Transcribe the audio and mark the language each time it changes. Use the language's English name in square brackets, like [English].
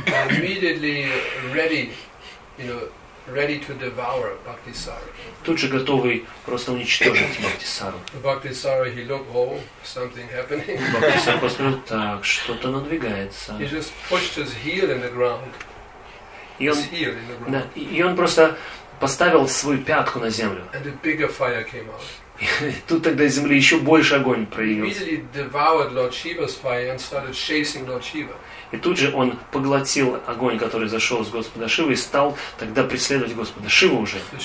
[English] Immediately ready, you know, ready to devour Bhaktisara. [Russian] Тут же готовый просто уничтожить Бхактисару. [English] Bhaktisara, he looked, oh, something happening. [Russian] Бхактисара посмотрел, так, что-то надвигается. [English] He just pushed his heel in the ground. [Russian] Да, и он просто поставил свою пятку на землю. [English] And a bigger fire came out. [Russian] Тут тогда из земли еще больше огонь проявился. И тут же он поглотил огонь, который зашел с Господа Шивы, и стал тогда преследовать Господа Шиву уже.